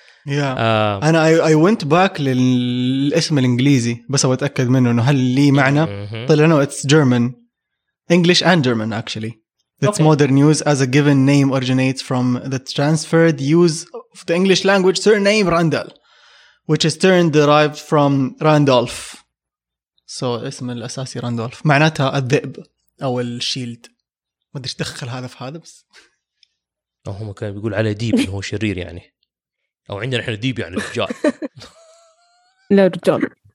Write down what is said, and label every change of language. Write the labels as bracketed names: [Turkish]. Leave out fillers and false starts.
[Arabic] أنا [English] I went back [Arabic] للاسم الإنجليزي بس أبغى أتأكد منه إنه هل لي معنى. طلع إنه [English] it's German, English and German actually. It's modern use as a given name originates from the transferred use of the English language surname Randall, which is turned derived from Randolph. [Arabic] So اسم الأساسي Randolph معناتها الذئب أو الشيلد. ما ادري ايش دخل هذا في هذا، بس هم كان بيقول على ديب انه هو شرير يعني، او عندنا احنا ديب يعني رجال. لا رجال.